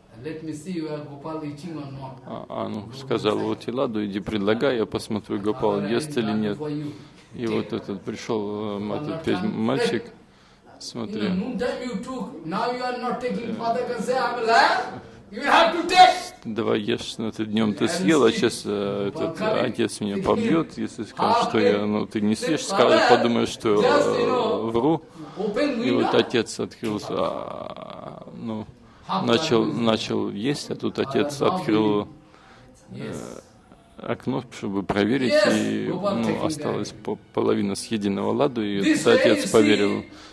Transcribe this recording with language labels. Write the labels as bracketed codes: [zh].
[en] Let me see you are Gopal eating or not. [ru] А, ну, сказал, вот и ладу, иди предлагай, я посмотрю, Гопал ест или нет. И вот этот пришел, этот мальчик, смотри. [en] In the noontime you took, now you are not taking. Father can say, I'm a liar. You have to taste. [ru] Давай ешь, но ты днем ты съел, а сейчас этот отец меня побьет, если скажет, что я, ну ты не съешь, скажет, подумаешь, что вру. И вот отец открылся, ну начал есть, а тут отец открыл окно, чтобы проверить, и ну, осталось половина съеденного ладу, и отец поверил.